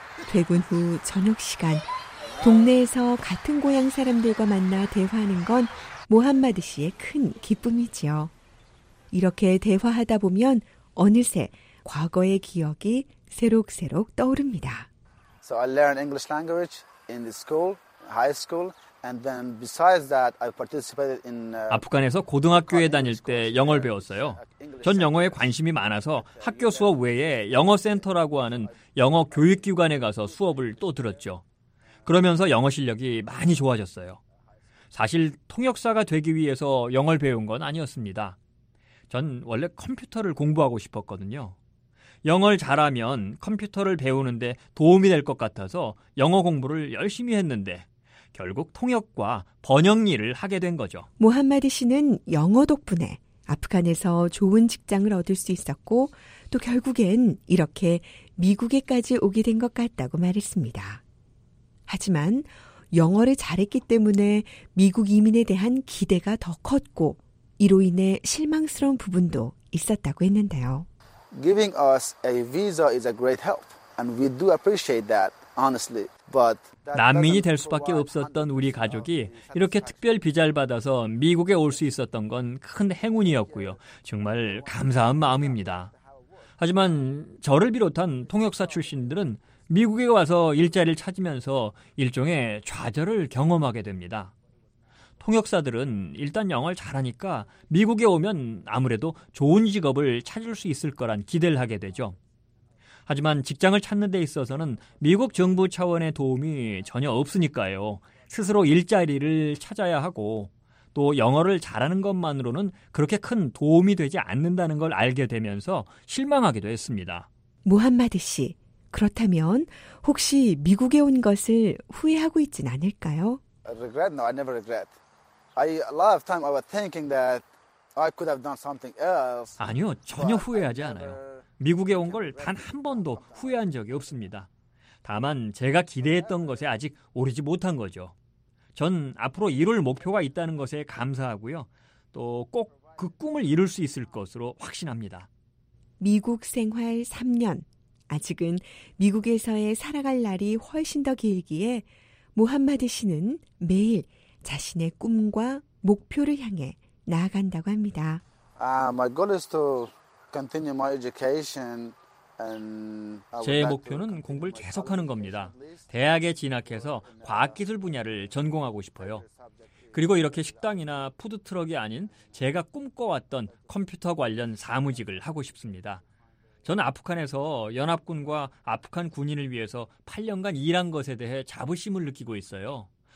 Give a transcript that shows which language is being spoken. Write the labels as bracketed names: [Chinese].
[Korean] 퇴근 후 저녁 시간, 동네에서 같은 고향 사람들과 만나 대화하는 건 모함마드 씨의 큰 기쁨이지요. 이렇게 대화하다 보면 어느새 과거의 기억이 새록새록 떠오릅니다. [English] So I learned English language in the school, high school, and then besides that, I participated in. [Korean] 아프간에서 고등학교에 다닐 때 영어를 배웠어요. 전 영어에 관심이 많아서 학교 수업 외에 영어 센터라고 하는 영어 교육 기관에 가서 수업을 또 들었죠. 그러면서 영어 실력이 많이 좋아졌어요. 사실 통역사가 되기 위해서 영어를 배운 건 아니었습니다. 전 원래 컴퓨터를 공부하고 싶었거든요. 영어를 잘하면 컴퓨터를 배우는데 도움이 될 것 같아서 영어 공부를 열심히 했는데 결국 통역과 번역 일을 하게 된 거죠. 모함마드 씨는 영어 덕분에 아프간에서 좋은 직장을 얻을 수 있었고 또 결국엔 이렇게 미국에까지 오게 된 것 같다고 말했습니다. 하지만 영어를 잘했기 때문에 미국 이민에 대한 기대가 더 컸고 이로 인해 실망스러운 부분도 있었다고 했는데요. [English] Giving us a visa is a great help, and we do appreciate that, honestly. But [Korean] 난민이 될 수밖에 없었던 우리 가족이 이렇게 특별 비자를 받아서 미국에 올 수 있었던 건 큰 행운이었고요. 정말 감사한 마음입니다. 하지만 저를 비롯한 통역사 출신들은 미국에 와서 일자리를 찾으면서 일종의 좌절을 경험하게 됩니다. 통역사들은 일단 영어를 잘하니까 미국에 오면 아무래도 좋은 직업을 찾을 수 있을 거란 기대를 하게 되죠. 하지만 직장을 찾는 데 있어서는 미국 정부 차원의 도움이 전혀 없으니까요. 스스로 일자리를 찾아야 하고 또 영어를 잘하는 것만으로는 그렇게 큰 도움이 되지 않는다는 걸 알게 되면서 실망하기도 했습니다. 무함마드 씨, 그렇다면 혹시 미국에 온 것을 후회하고 있진 않을까요? [English] Regret? No, I never regret. I a lot of time I was thinking that I could have done something else. [Korean] 아니요, 전혀 후회하지 않아요. 미국에 온 걸 단 한 번도 후회한 적이 없습니다. 다만 제가 기대했던 것에 아직 오르지 못한 거죠. 전 앞으로 이룰 목표가 있다는 것에 감사하고요. 또 꼭 그 꿈을 이룰 수 있을 것으로 확신합니다. 미국 생활 3년. 아직은 미국에서의 살아갈 날이 훨씬 더 길기에 무함마드 씨는 매일 자신의 꿈과 목표를 향해 나아간다고 합니다. [English] My goal is to continue my education. And [Korean] 제 목표는 공부를 계속하는 겁니다. 대학에 진학해서 과학기술 분야를 전공하고 싶어요. 그리고 이렇게 식당이나 푸드트럭이 아닌 제가 꿈꿔왔던 컴퓨터 관련 사무직을 하고 싶습니다. 전 아프간에서 연합군과 아프간 군인을 위해서 8년간 일한 것에 대해 자부심을 느끼고 있어요.